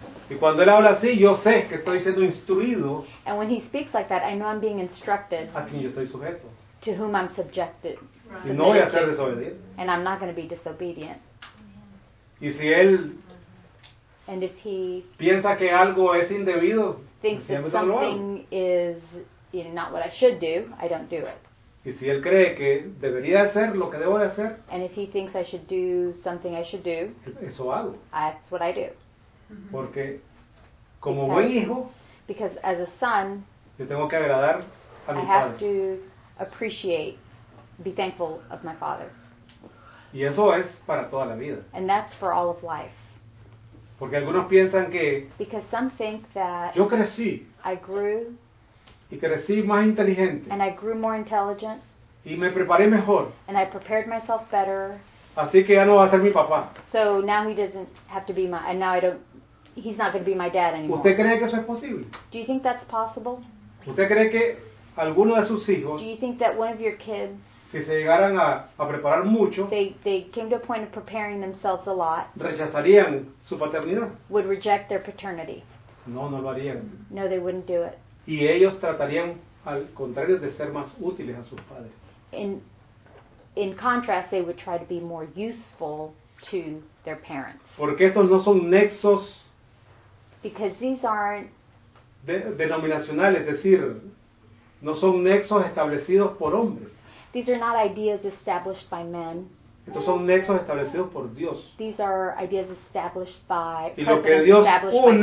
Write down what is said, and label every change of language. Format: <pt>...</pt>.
<es>Y cuando él habla así, yo sé que estoy siendo instruido.</es> <en>And when he speaks like that, I know I'm being instructed.</en> <es>A quien yo estoy sujeto.</es> <en>To whom I'm subjected.</en> <es>Y no voy a ser desobediente.</es> <en>And I'm not going to be disobedient.</en> <es>Y si él</es> <en>and if he</en> <es>piensa que algo es indebido,</es> <en>thinks that something is not what I should do, I don't do it.</en> <es>Y si él cree que debería hacer lo que debo de hacer,</es> <en>and if he thinks I should do something I should do,</en> <es>eso hago.</es> <en>That's what I do.</en> <es>Porque como buen hijo,</es> <en>because as a son,</en> <es>yo tengo que agradar a mi</es> <en>padre. I have</en> <es>padre.</es> <en>To appreciate. Be thankful of my father.</en> <es>Y eso es para toda la vida.</es> <en>And that's for all of life.</en> <es>Porque algunos piensan que</es> <en>because some think that</en> <es>yo crecí.</es> <en>I grew.</en> <es>Y crecí más inteligente.</es> <en>And I grew more intelligent.</en> <es>Y me preparé mejor.</es> <en>And I prepared myself better.</en> <es>Así que ya no va a ser mi papá.</es> <en>So now he doesn't have to be my and now I don't he's not going to be my dad anymore.</en> <es>¿Usted cree que eso es posible?</es> <en>Do you think that's possible?</en> <es>¿Usted cree que alguno de sus hijos,</es> <en>do you think that one of your kids,</en> <es>si se llegaran a preparar mucho,</es> <en>they came to a point of preparing themselves a lot,</en> <es>rechazarían su paternidad?</es> <en>Would reject their paternity.</en> <es>No, no lo harían.</es> <en>No, they wouldn't do it.</en> <es>Y ellos tratarían, al contrario, de ser más útiles a sus padres.</es> <en>In contrast, they would try to be more useful to their parents.</en> <es>Porque estos no son nexos.</es> <en>Because these aren't</en> <es>denominacionales, es decir, no son nexos establecidos por hombres.</es> <en>These are not ideas established by men.</en> <es>Estos son nexos establecidos por Dios.</es> <en>These are ideas established by</en> <es>y lo que Dios une,</es>